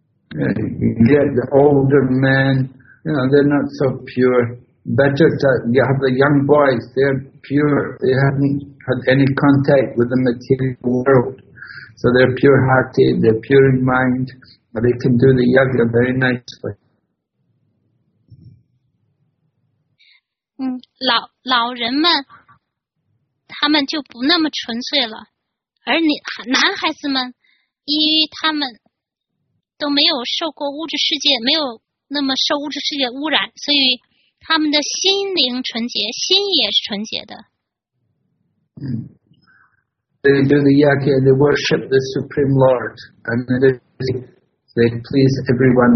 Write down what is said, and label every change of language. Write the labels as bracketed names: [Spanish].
[English] Yet the older men, you know, they're not so pure. Better to you have the young boys, they're pure. They haven't had any contact with the material world. So they're pure-hearted, they're pure in mind, but they can do the yagya very nicely. [Chinese] 老人们他们就不那么纯粹了，而你男孩子们，因为他们都没有受过物质世界，没有那么受物质世界污染，所以他们的心灵纯洁，心也是纯洁的。 [English] They do the yagya, they worship the Supreme Lord, and they please everyone.